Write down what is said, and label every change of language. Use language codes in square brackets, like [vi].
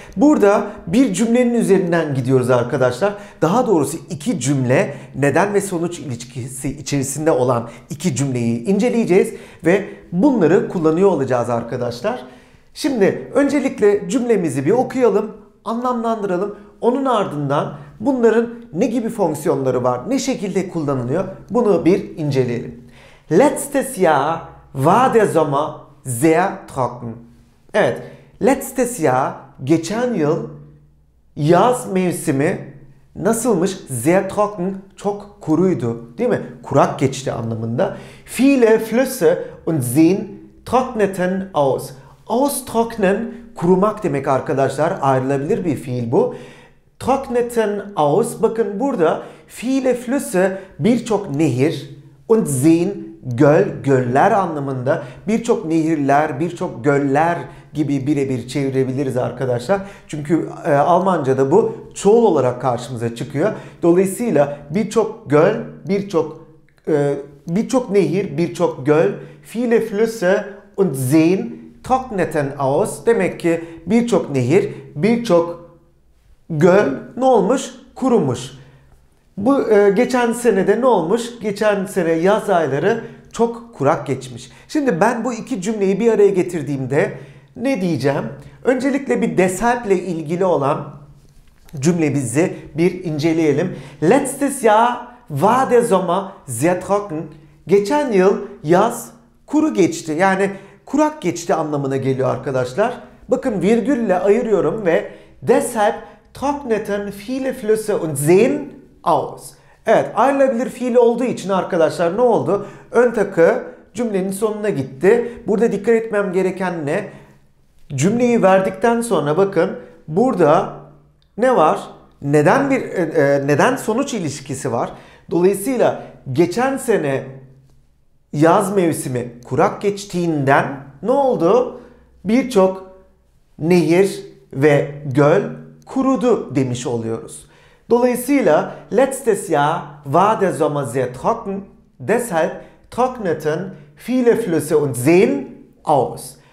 [tr] Burada bir cümlenin üzerinden gidiyoruz arkadaşlar. Daha doğrusu iki cümle, neden ve sonuç ilişkisi içerisinde olan iki cümleyi inceleyeceğiz ve bunları kullanıyor olacağız arkadaşlar. Şimdi öncelikle cümlemizi bir okuyalım, anlamlandıralım. Onun ardından bunların ne gibi fonksiyonları var, ne şekilde kullanılıyor bunu bir inceleyelim. [de] Letztes Jahr war der Sommer sehr trocken. [tr] Evet, [de] letztes Jahr, [tr] geçen yıl yaz mevsimi nasılmış? [de] Sehr trocken, [tr] çok kuruydu, değil mi? Kurak geçti anlamında. [de] Viele Flüsse und Seen trockneten aus. [tr] Austrocknen, kurumak demek arkadaşlar, ayrılabilir bir fiil bu. [de] Trockneten aus, [tr] bakın burada [de] viele Flüsse, [tr] birçok nehir [de] und Seen, [tr] göl, göller anlamında, birçok nehirler, birçok göller gibi birebir çevirebiliriz arkadaşlar. Çünkü Almanca'da bu çoğul olarak karşımıza çıkıyor. Dolayısıyla birçok göl, birçok birçok nehir, birçok göl, [de] viele Flüsse und Seen trockneten aus. [tr] Demek ki birçok nehir, birçok göl ne olmuş? Kurumuş. Bu geçen sene de ne olmuş? Geçen sene yaz ayları çok kurak geçmiş. Şimdi ben bu iki cümleyi bir araya getirdiğimde ne diyeceğim? Öncelikle bir deshalb ile ilgili olan cümlemizi bir inceleyelim. [de] Letztes Jahr war der Sommer sehr trocken. [tr] Geçen yıl yaz kuru geçti. Yani kurak geçti anlamına geliyor arkadaşlar. Bakın virgülle ayırıyorum ve [de] deshalb trockneten viele Flüsse und Seen aus. [tr] Evet, ayrılabilir fiil olduğu için arkadaşlar ne oldu? Ön takı cümlenin sonuna gitti. Burada dikkat etmem gereken ne? Cümleyi verdikten sonra bakın burada ne var? Neden bir neden sonuç ilişkisi var? Dolayısıyla geçen sene yaz mevsimi kurak geçtiğinden ne oldu? Birçok nehir ve göl kurudu demiş oluyoruz. Dolayısıyla [de] letztes Jahr war der Sommer sehr trocken, deshalb trockneten viele Flüsse und Seen aus.